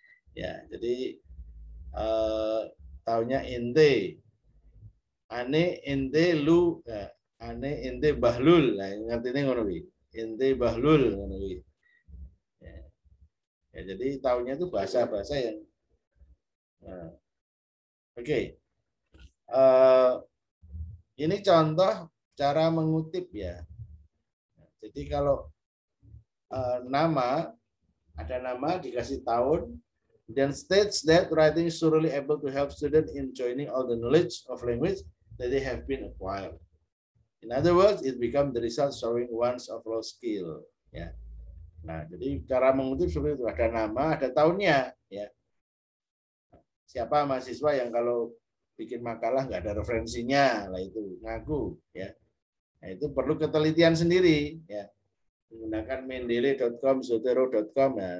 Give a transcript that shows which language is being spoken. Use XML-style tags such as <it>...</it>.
<id>Ya, jadi taunya ente, ane ente lu, ane ente bahlul, nah, ngerti ini</id> <jv>ngono wi,</jv> <id>ente bahlul ngono wi. Ya. Ya, jadi taunya itu bahasa-bahasa yang Oke, ini contoh cara mengutip ya. Jadi kalau nama, ada nama dikasih tahun,</id> <en>then states that writing is surely able to help students in joining all the knowledge of language that they have been acquired. In other words, it become the result showing one's overall skill. Ya.</en> <id>Nah, jadi cara mengutip seperti itu, ada nama, ada tahunnya. Ya. Siapa mahasiswa yang kalau bikin makalah nggak ada referensinya, lah itu ngaku, ya. Nah, itu perlu ketelitian sendiri, ya. Menggunakan mendeley.com, zotero.com, ya.</id>